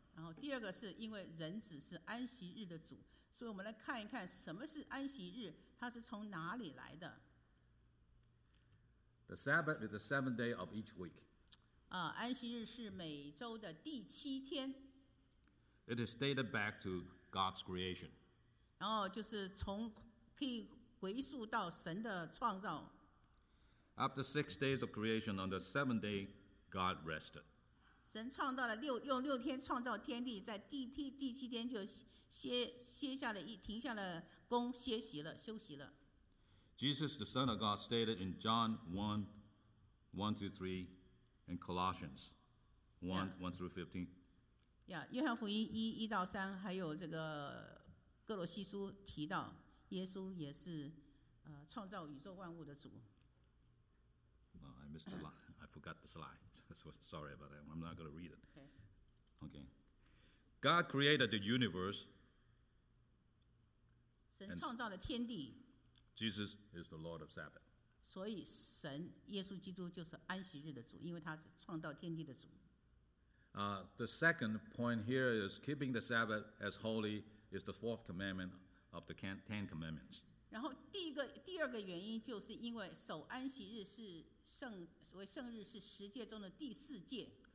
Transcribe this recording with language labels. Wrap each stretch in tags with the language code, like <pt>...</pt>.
<zh>然后第二个是因为人子是安息日的主。所以我们来看一看什么是安息日，它是从哪里来的。</zh> <en>The Sabbath is the seventh day of each week.</en> <zh>安息日是每周的第七天。</zh> <en>It is dated back to God's creation.</en> <zh>然后就是从可以回溯到神的创造。</zh> <en>After 6 days of creation, on the seventh day, God rested.</en> <zh>神创造了六用六天创造天地，在第七天就停下了工，歇息了，休息了。</zh> <en>Jesus, the Son of God, stated in John 1:1-3, and Colossians 1:1-15.</en> <zh>Yeah, 约翰福音1-3，还有这个哥罗西书提到，耶稣也是创造宇宙万物的主。</zh> <en>Oh, I missed the line. I forgot the slide. Sorry about that. I'm not going to read it. Okay. God created the universe.</en> <zh>神创造了天地。</zh> <en>Jesus is the Lord of Sabbath.</en> <zh>所以神耶稣基督就是安息日的主，因为他是创造天地的主。</zh> <en>The second point here is keeping the Sabbath as holy is the fourth commandment of the Ten Commandments.</en> <zh>然后第二个原因就是因为守安息日是圣为圣日是十诫中的第四诫。</zh>